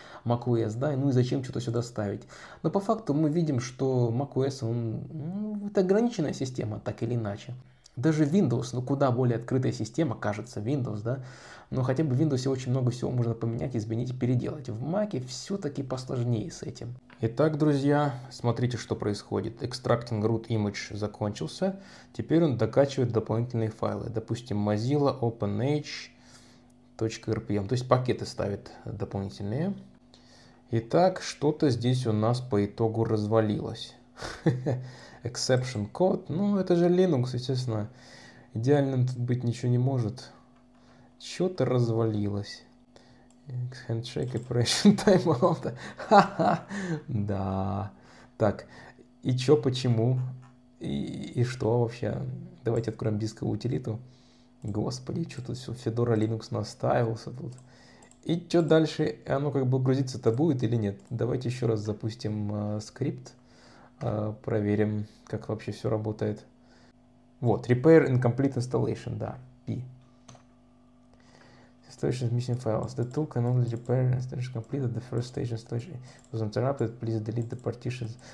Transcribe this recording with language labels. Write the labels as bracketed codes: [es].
[ru] macOS, да, ну и зачем что-то сюда ставить. Но по факту мы видим, что macOS, он, ну, это ограниченная система, так или иначе. Даже Windows, ну куда более открытая система, кажется, Windows, да. Но хотя бы в Windows очень много всего можно поменять, изменить и переделать. В Mac все-таки посложнее с этим. Итак, друзья, смотрите, что происходит. [en] Extracting root image закончился. [ru] Теперь он докачивает дополнительные файлы. Допустим, Mozilla openh.rpm. То есть пакеты ставит дополнительные. Итак, что-то здесь у нас по итогу развалилось. [en] Exception code. [ru] Ну, это же Linux, естественно. Идеальным тут быть ничего не может. Что-то развалилось. [en] Handshake operation timeout. [ru] Да. Так, и чё, почему? И что вообще? Давайте откроем дисковую утилиту. Господи, что-то всё Fedora Linux настаивался тут. И что дальше? Оно как бы грузиться-то будет или нет? Давайте еще раз запустим скрипт. Проверим, как вообще все работает. Вот, Repair Incomplete Installation, да, P. [en] Installation is missing files. The tool can only repair installation completed. The first stage installation was interrupted. Please delete the partitions.